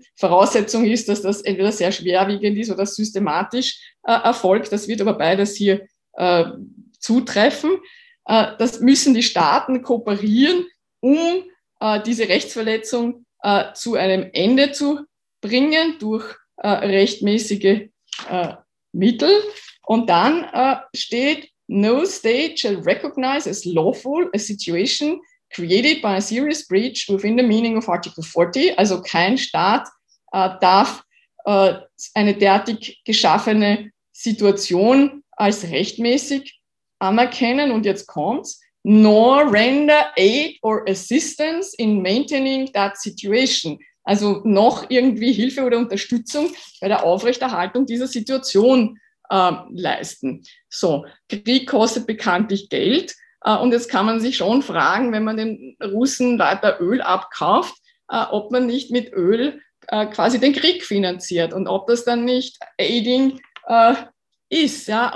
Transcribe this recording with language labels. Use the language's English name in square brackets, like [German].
[German] Voraussetzung ist, dass das entweder sehr schwerwiegend ist oder systematisch erfolgt. Das wird aber beides hier zutreffen. Das müssen die Staaten kooperieren, um diese Rechtsverletzung zu einem Ende zu bringen durch rechtmäßige Mittel. Und dann steht, [English] no state shall recognize as lawful a situation created by a serious breach within the meaning of Article 40. [German] Also kein Staat darf eine derartig geschaffene Situation als rechtmäßig anerkennen. Und jetzt kommt's. [English] Nor render aid or assistance in maintaining that situation. [German] Also noch irgendwie Hilfe oder Unterstützung bei der Aufrechterhaltung dieser Situation leisten. So, Krieg kostet bekanntlich Geld. Und jetzt kann man sich schon fragen, wenn man den Russen weiter Öl abkauft, ob man nicht mit Öl quasi den Krieg finanziert und ob das dann nicht aiding ist. Ja?